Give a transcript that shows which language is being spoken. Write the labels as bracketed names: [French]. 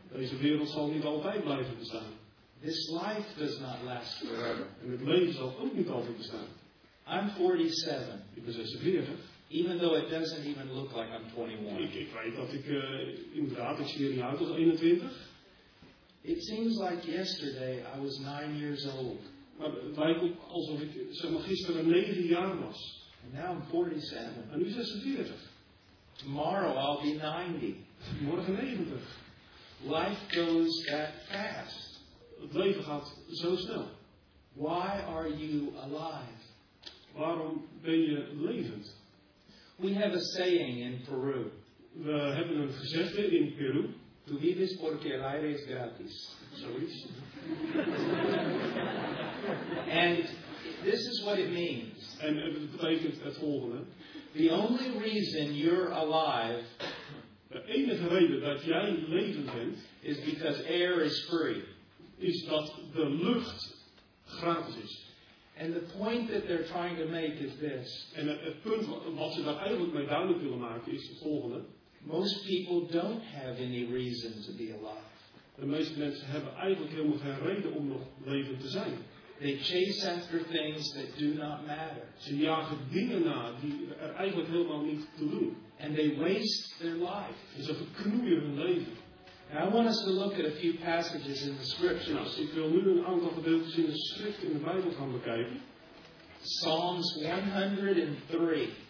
[Dutch] Deze wereld zal niet altijd blijven bestaan. [English] This life does not last forever. [Dutch] En het leven zal ook niet altijd bestaan. [English] I'm 47. [Dutch] Ik ben 46. [English] Even though it doesn't even look like I'm 21. [Dutch] Ik weet dat ik inderdaad, ik zie er niet uit als 21. [English] It seems like yesterday I was 9 years old. [Dutch] Maar het lijkt ook alsof ik zeg maar gisteren 9 jaar was. [English] And now I'm 47. [Dutch] En nu 46. [English] Tomorrow I'll be 90. [Dutch] Morgen 90. [English] Life goes that fast. [Dutch] Het leven gaat zo snel. [English] Why are you alive? [Dutch] Waarom ben je levend? [English] We have a saying in Peru. [Dutch] We hebben een gezegde in Peru. [Spanish] Tu vives porque el aire es gratis. [Dutch] Zoiets. [English] And this is what it means. [Dutch] En het betekent het volgende. [English] The only reason you're alive, [Dutch] de enige reden dat jij levend bent, [English] is because air is free. [Dutch] Is dat de lucht gratis is. [English] And the point that they're trying to make is this. [Dutch] En het punt wat ze daar eigenlijk mee duidelijk willen maken is het volgende. [English] Most people don't have any reason to be alive. [Dutch] De meeste mensen hebben eigenlijk helemaal geen reden om nog levend te zijn. [English] They chase after things that do not matter. [Dutch] Ze jagen dingen na die er eigenlijk helemaal niet te doen. [English] And they waste their life. [Dutch] En ze verknoeien hun leven. [English] Now I want us to look at a few passages in the scriptures. [Dutch] Ik wil nu een aantal gedeeltes in de schrift in de Bijbel gaan bekijken. [English] Psalms 103.